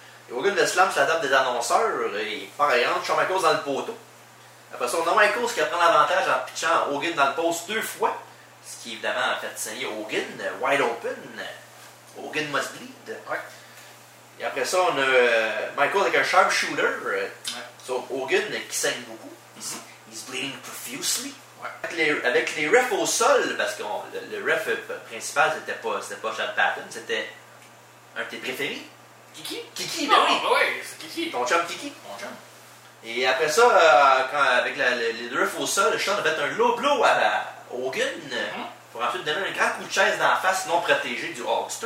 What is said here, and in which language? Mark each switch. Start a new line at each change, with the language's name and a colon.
French: Et Hogan le slam sur la table des annonceurs, et pareil, entre Shawn Michaels dans le poteau. Après ça, on a Michaels qui a pris l'avantage en pitchant Hogan dans le poste deux fois. Ce qui, évidemment, a fait saigner Hogan,
English: wide open. Hogan must bleed.
French: Ouais. Et après ça, on a Michael avec un sharpshooter. Ouais. So, Hogan qui saigne beaucoup.
English: He's bleeding profusely.
French: Ouais. Avec les refs au sol, parce que le ref principal, c'était pas Chad Patton, c'était un de tes préférés. Kiki, ben oui. Ah ouais, c'est Kiki. Ton chum Kiki. Mon chum. Et après ça, avec les refs au sol, Sean a fait un low blow à Hogan pour ensuite donner un grand coup de chaise dans la face non protégée du Hulkster.